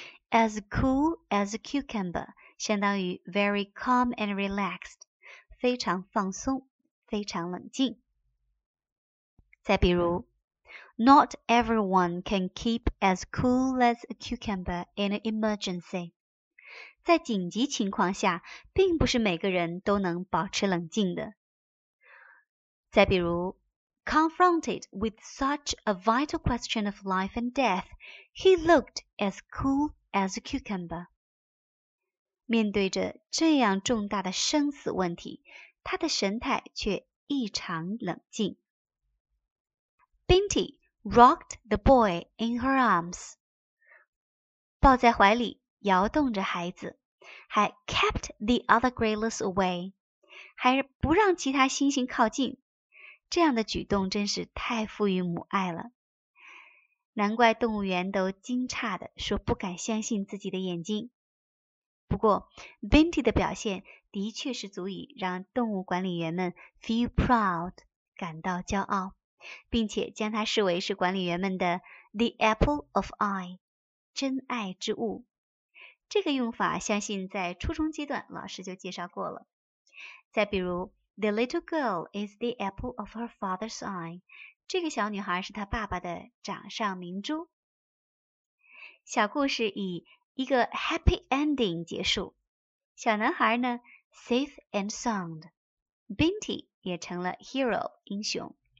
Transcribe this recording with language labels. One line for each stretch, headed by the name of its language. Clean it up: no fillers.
English: As cool as a cucumber 相当于 very calm and relaxed, 非常放松，非常冷静。再比如 ,Not everyone can keep as cool as a cucumber in an emergency.
Chinese: 在紧急情况下，并不是每个人都能保持冷静的。
English: 再比如 ,Confronted with such a vital question of life and death, he looked as cool as a cucumber.
Chinese: 面对着这样重大的生死问题，他的神态却异常冷静。
English: Binti rocked the boy in her arms, 抱在怀里摇动着孩子，还 kept the other gorillas away, 还不让其他猩猩靠近。
Chinese: 这样的举动真是太赋予母爱了，难怪动物园都惊诧地说不敢相信自己的眼睛。不过 Binti 的表现的确是足以让动物管理员们 feel proud, 感到骄傲，并且将它视为是管理员们的 the apple of eye, 真爱之物。这个用法相信在初中阶段老师就介绍过了。再比如
English: The little girl is the apple of her father's eye.
Chinese: 这个小女孩是她爸爸的掌上明珠。小故事以一个 happy ending 结束。小男孩呢 safe and sound。 Binti 也成了 hero, 英雄。